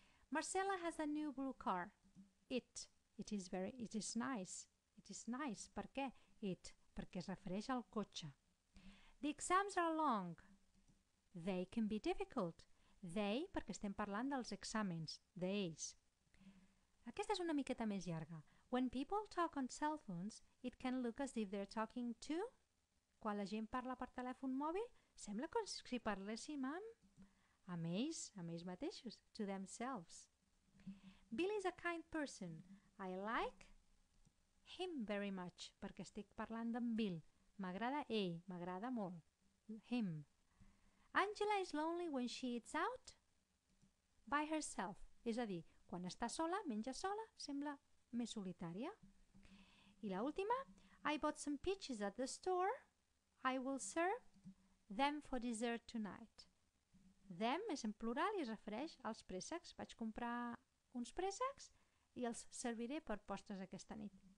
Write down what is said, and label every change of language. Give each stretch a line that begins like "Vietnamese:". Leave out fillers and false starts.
English: Marcella has a new blue car. It is nice.
Catalan: Per què? It, perquè es refereix al cotxe.
English: The exams are long. They can be difficult. They,
Catalan: perquè estem parlant dels exàmens.
English: They's.
Catalan: Aquesta és una miqueta més llarga.
English: When people talk on cell phones, it can look as if they're talking to...
Catalan: Quan la gent parla per telèfon mòbil, sembla com si parléssim amb ells mateixos,
English: to themselves. Billy's a kind person. I like him very much,
Catalan: perquè estic parlant d'en Bill. M'agrada ell, m'agrada molt.
English: Him. Angela is lonely when she eats out by herself.
Catalan: És a dir, quan està sola, menja sola, sembla més solitària. I l'última.
English: I bought some peaches at the store. I will serve them for dessert tonight.
Catalan: Them és en plural i es refereix als préssecs. Vaig comprar uns préssecs i els serviré per postres aquesta nit.